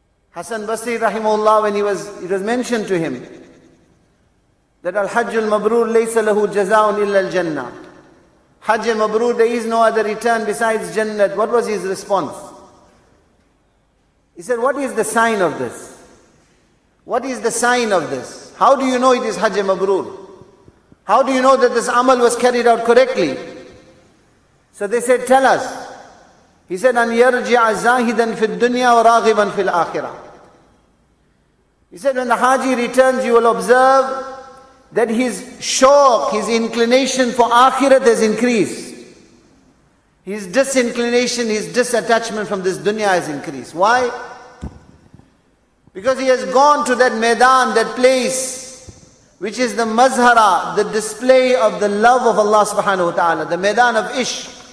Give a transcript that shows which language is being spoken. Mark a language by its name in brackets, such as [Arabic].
[English] Hassan Basri rahimahullah, when it was mentioned to him that [Arabic] al-hajj al-mabrur laysa lahu jazaun illa al-jannah, [English] hajj al-mabrur, there is no other return besides jannah, what was his response? He said, what is the sign of this? What is the sign of this? How do you know it is hajj al-mabrur? How do you know that this amal was carried out correctly? So they said, tell us. [Arabic] He said, أَنْ يَرْجِعَ زَاهِدًا فِي الدُّنْيَا وَرَاغِبًا فِي الْآخِرَةِ. [English] He said, when the haji returns, you will observe that his shauq, his inclination for akhirat has increased. His disinclination, his disattachment from this dunya has increased. Why? Because he has gone to that maidan, that place, which is the mazhara, the display of the love of Allah subhanahu wa ta'ala, the maidan of ish.